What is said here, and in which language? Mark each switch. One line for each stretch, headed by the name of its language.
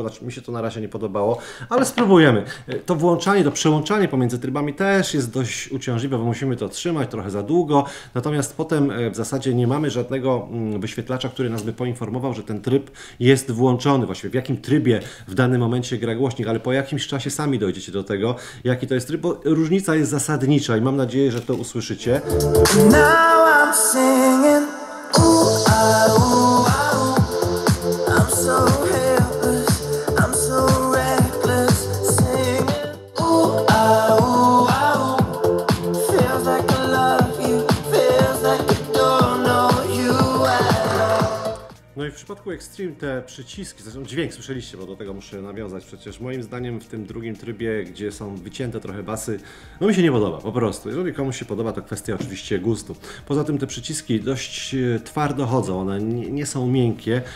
Polish: Znaczy, mi się to na razie nie podobało, ale spróbujemy. To włączanie, to przełączanie pomiędzy trybami też jest dość uciążliwe, bo musimy to trzymać trochę za długo. Natomiast potem w zasadzie nie mamy żadnego wyświetlacza, który nas by poinformował, że ten tryb jest włączony. Właściwie w jakim trybie w danym momencie gra głośnik, ale po jakimś czasie sami dojdziecie do tego, jaki to jest tryb, bo różnica jest zasadnicza i mam nadzieję, że to usłyszycie.
English: Now I'm singing, ooh, ah, ooh, ah, ooh. I'm so helpless, I'm so reckless, singing, ooh, ah, ooh, ah, ooh. Feels like I love you, feels like I don't know you at all.
Polish: No i w przypadku Extreme te przyciski, zresztą dźwięk słyszeliście, bo do tego muszę nawiązać. Przecież moim zdaniem w tym drugim trybie, gdzie są wycięte trochę basy, no mi się nie podoba, po prostu. Jeżeli komuś się podoba, to kwestia oczywiście gustu. Poza tym te przyciski dość twardo chodzą, one nie są miękkie.